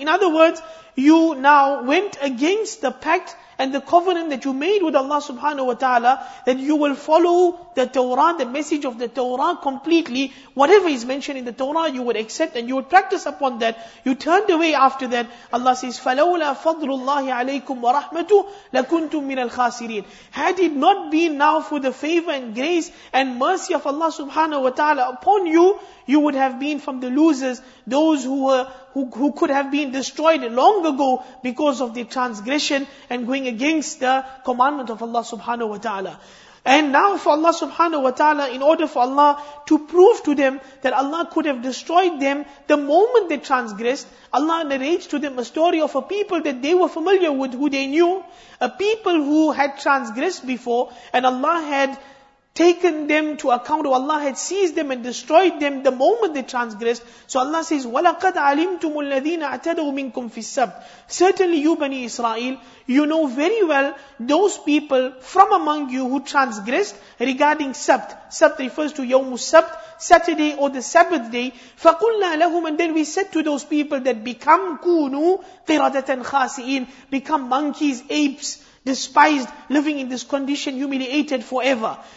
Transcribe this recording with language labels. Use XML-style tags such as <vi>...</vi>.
<en>In other words, you now went against the pact and the covenant that you made with Allah subhanahu wa ta'ala, that you will follow the Torah, the message of the Torah completely. Whatever is mentioned in the Torah, you would accept and you would practice upon that. You turned away after that. Allah says,</en> <ar>فَلَوْلَا فَضْلُ اللَّهِ عَلَيْكُمْ وَرَحْمَتُهُ لَكُنْتُمْ مِنَ الْخَاسِرِينَ.</ar> <en>Had it not been now for the favor and grace and mercy of Allah subhanahu wa ta'ala upon you, you would have been from the losers, those who could have been destroyed long ago because of the transgression and going against the commandment of Allah subhanahu wa ta'ala. And now for Allah subhanahu wa ta'ala, in order for Allah to prove to them that Allah could have destroyed them the moment they transgressed, Allah narrates to them a story of a people that they were familiar with, who they knew, a people who had transgressed before, and Allah had taken them to account, or Allah had seized them and destroyed them the moment they transgressed. So Allah says,</en> <ar>وَلَقَدْ عَلِمْتُمُ الَّذِينَ اَعْتَدَوْا مِنْكُمْ فِي السَّبْتِ.</ar> <en>Certainly you, Bani Israel, you know very well those people from among you who transgressed regarding Sabt. Sabt refers to Yawmu Sabt, Saturday or the Sabbath day.</en> <ar>فَقُلْنَا لَهُمْ.</ar> <en>And then we said to those people that become</en> <ar>كُونُوا قِرَدَةً خَاسِئِينَ,</ar> <en>become monkeys, apes, despised, living in this condition, humiliated forever.</en>